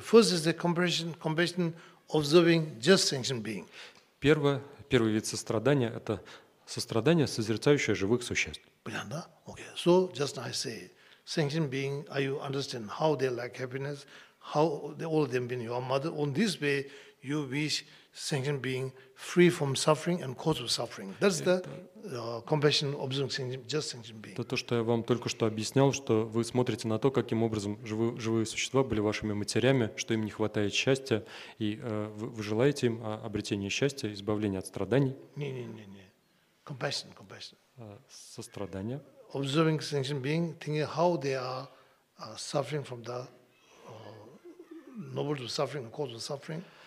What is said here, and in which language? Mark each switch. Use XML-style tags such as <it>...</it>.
<en>First is the compassion observing just sentient being.</en> <ru>Первый вид сострадания – это сострадание, созерцающее живых существ. Понятно, да? Okay.</ru> <en>So, just now I say, sentient being, are you understand how they like happiness, how they, all of them being your mother, on this way you wish sentient being free from suffering and cause of suffering. That's the compassion observing just sentient being.</en> <ru>Это то, что я вам только что объяснял, что вы смотрите на то, каким образом живые существа были вашими матерями, что им не хватает счастья, и вы желаете им обретения счастья, избавления от страданий.</ru> <en>Не. Compassion.</en> <ru>Сострадание.</ru> <en>Observing sentient being, thinking how they are suffering from the nobles of suffering and cause of suffering.</en>